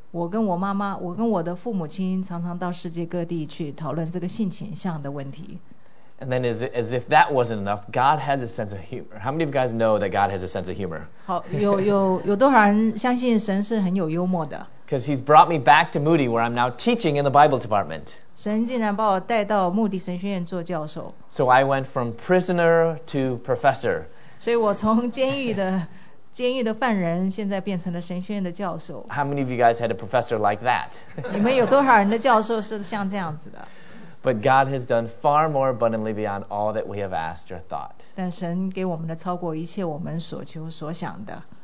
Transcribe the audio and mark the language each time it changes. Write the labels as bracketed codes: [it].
[zh] 我跟我妈妈，我跟我的父母亲常常到世界各地去讨论这个性倾向的问题。 [en] And then as if that wasn't enough, God has a sense of humor. How many of you guys know that God has a sense of humor? [zh] 好，有多少人相信神是很有幽默的？ [en] Because he's brought me back to Moody, where I'm now teaching in the Bible department. [zh] 神竟然把我带到穆迪神学院做教授。 [en] So I went from prisoner to professor. [zh] 所以我从监狱的犯人，现在变成了神学院的教授。 [en] How many of you guys had a professor like that? [zh] 你们有多少人的教授是像这样子的？ [en] But God has done far more abundantly beyond all that we have asked or thought. [zh] 但神给我们的超过一切我们所求所想的。